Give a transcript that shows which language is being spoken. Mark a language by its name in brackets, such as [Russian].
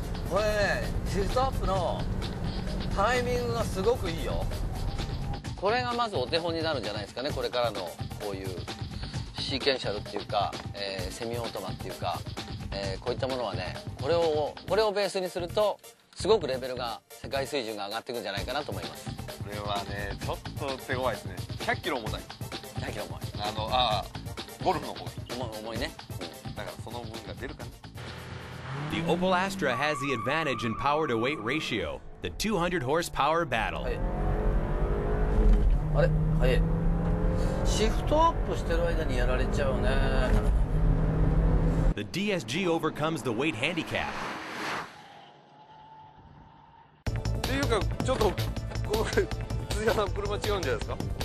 [Japanese] これね、シフトアップの。タイミングがすごくいいよこれがまずお手本になるんじゃないですかねこれからのこういうシーケンシャルっていうか、セミオートマっていうか、こういったものはねこれをベースにするとすごくレベルが世界水準が上がっていくんじゃないかなと思いますこれはねちょっと手強いですね100キロ重たい 100キロ重いあのあゴルフの方が重いね、うん、だからその分が出るかな [English] The Opel Astra has the advantage in power to weight ratioThe 200 horsepower battle. [Japanese] あれ、早い。シフトアップしてる間にやられちゃうね。 [English] The DSG overcomes the weight handicap. [Japanese] っていうか、ちょっとこの辻さん車違うんじゃないですか。